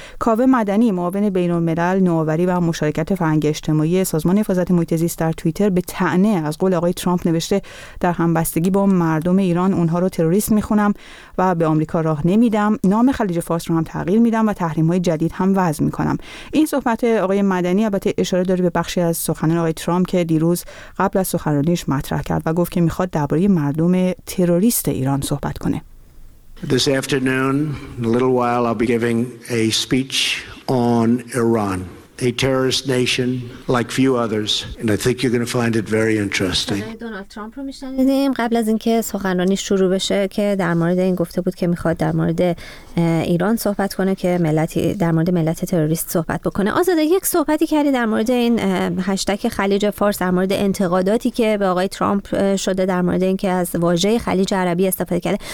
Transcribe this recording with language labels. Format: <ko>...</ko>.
<fa>کاوه مدنی معاون بین‌الملل نوآوری و مشارکت فرهنگی اجتماعی سازمان حفاظت محیط زیست در توییتر به طعنه از قول آقای ترامپ نوشته در همبستگی با مردم ایران اونها رو تروریست میخونم و به آمریکا راه نمیدم، نام خلیج فارس رو هم تغییر میدم و تحریم‌های جدید هم وضع کنم. این صحبت آقای مدنی البته اشاره داره به بخشی از سخنان آقای ترامپ که دیروز قبل از سخنرانیش مطرح کرد و گفت که میخواد درباره مردم تروریست ایران صحبت کنه.</fa> <en>This afternoon, a little while, I'll be giving a speech on Iran, a terrorist nation like few others, and I think you're going to find it very interesting.</en> <fa>دونالد ترامپ رو میشنیدیم قبل از اینکه سخنرانی شروع بشه که در مورد این گفته بود که میخواد در مورد ایران صحبت کنه که ملتی در مورد ملت تروریست صحبت بکنه. آزاده، یک صحبتی کردی در مورد این هشتگ خلیج فارس، در مورد انتقاداتی که به آقای ترامپ شده در مورد اینکه از واژه خلیج عربی استفاده کرده.</fa>